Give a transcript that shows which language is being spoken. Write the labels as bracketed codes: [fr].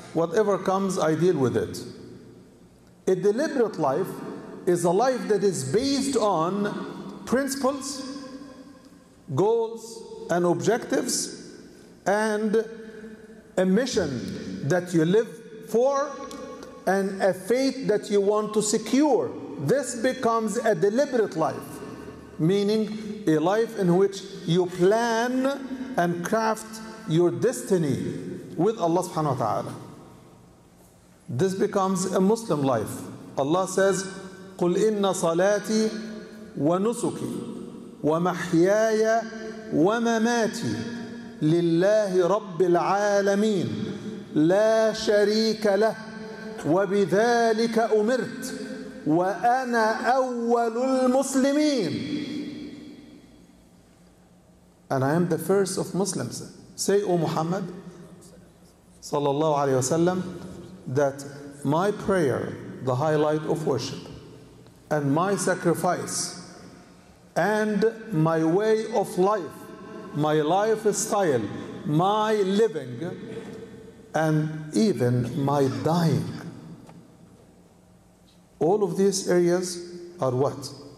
[en] Whatever comes, I deal with it. A deliberate life is a life that is based on principles, goals, and objectives, and a mission that you live for, and a faith that you want to secure. This becomes a deliberate life, meaning a life in which you plan and craft your destiny with Allah subhanahu wa ta'ala. This becomes a Muslim life. Allah says, [ar] قُلْ إِنَّ صَلَاتِي وَنُسُكِي وَمَحْيَايَ وَمَمَاتِي لِلَّهِ رَبِّ الْعَالَمِينَ لَا شَرِيكَ لَهُ وَبِذَلِكَ أُمِرْتُ وَأَنَا أَوَّلُ الْمُسْلِمِينَ. [en] And I am the first of Muslims. Say, O Muhammad, [ar] صلى الله عليه وسلم, [en] that my prayer, the highlight of worship, and my sacrifice, and my way of life, my lifestyle, my living, and even my dying, all of these areas are what?